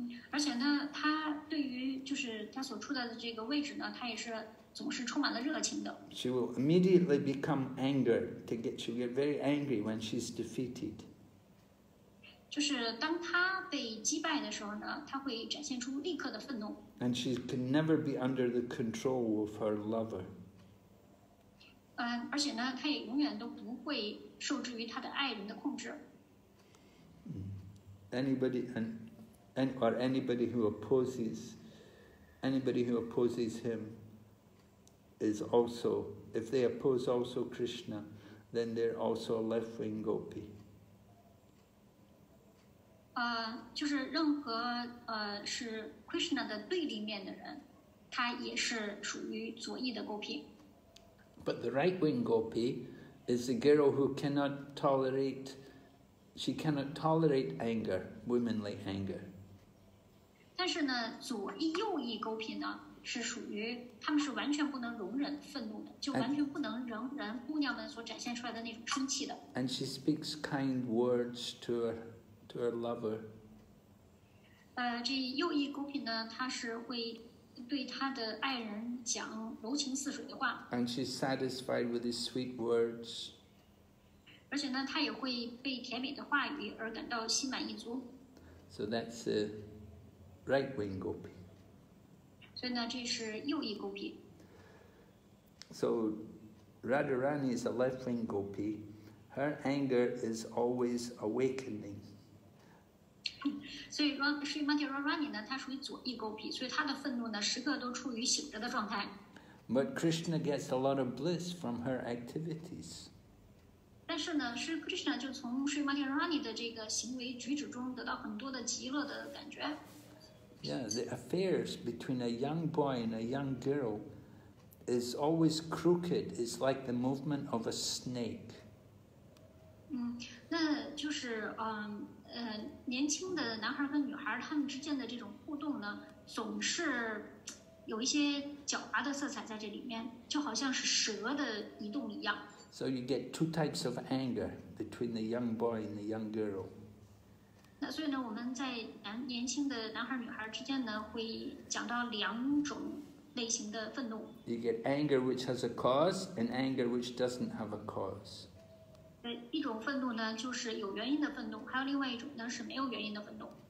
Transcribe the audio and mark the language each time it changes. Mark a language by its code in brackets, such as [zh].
[zh] 而且呢他对于就是他所处在的这个位置呢，他也是 [en] She will immediately become angered to get, she'll get very angry when she's defeated. [zh] 就是当她被击败的时候呢，她会展现出立刻的愤怒。 [en] And she can never be under the control of her lover. [zh] 而且呢，她也永远都不会受制于她的爱人的控制。 [en] Anybody or anybody who opposes him. Is also, if they oppose also Krishna, then they're also a left-wing gopi. [zh] 就是任何是 Krishna 的对立面的人，他也是属于左翼的 gopi. [en] But the right-wing gopi is the girl who cannot tolerate, she cannot tolerate anger, womanly anger. [zh] 但是呢，左翼右翼 gopi 呢？是属于他们是完全不能容忍愤怒的，就完全不能容忍姑娘们所展现出来的那种生气的。 [en] And she speaks kind words to her lover. [zh] 这右翼勾品呢，她是会对她的爱人讲柔情似水的话。 [en] And she's satisfied with his sweet words. [zh] 而且呢，她也会被甜美的话语而感到心满意足。 [en] So that's a right wing gopi. [zh] 所以呢，这是右翼 gopi。 [en] So Radharani is a left-wing gopi. Her anger is always awakening. [zh] 所以 Srimati Radharani 呢，她属于左翼 gopi， 所以她的愤怒呢，时刻都处于醒着的状态。 [en] But Krishna gets a lot of bliss from her activities. [zh] 但是呢，是 Krishna 就从 Srimati Radharani 的这个行为举止中得到很多的极乐的感觉。 [en] Yeah, the affairs between a young boy and a young girl is always crooked. It's like the movement of a snake. [zh] 那就是年轻的男孩跟女孩他们之间的这种互动呢，总是有一些狡猾的色彩在这里面，就好像是蛇的移动一样。 [en] So you get two types of anger between the young boy and the young girl. [zh] 所以呢，我们在年轻的男孩女孩之间呢，会讲到两种类型的愤怒。 [en] You get anger which has a cause and anger which doesn't have a cause. [zh] 一种愤怒呢，就是有原因的愤怒，还有另外一种呢，是没有原因的愤怒。